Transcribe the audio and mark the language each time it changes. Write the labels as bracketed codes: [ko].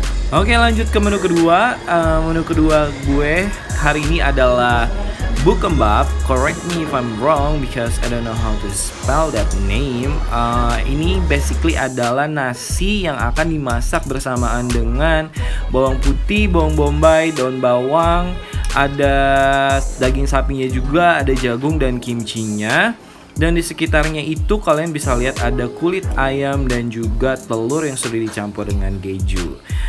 [id] Oke, lanjut ke menu kedua. Menu kedua gue hari ini adalah Bukkeumbap. [en] Correct me if I'm wrong because I don't know how to spell that name. [id] Ini basically adalah nasi yang akan dimasak bersamaan dengan bawang putih, bawang bombay, daun bawang, ada daging sapinya juga, ada jagung dan kimchinya. Dan di sekitarnya itu kalian bisa lihat ada kulit ayam dan juga telur yang sudah dicampur dengan keju.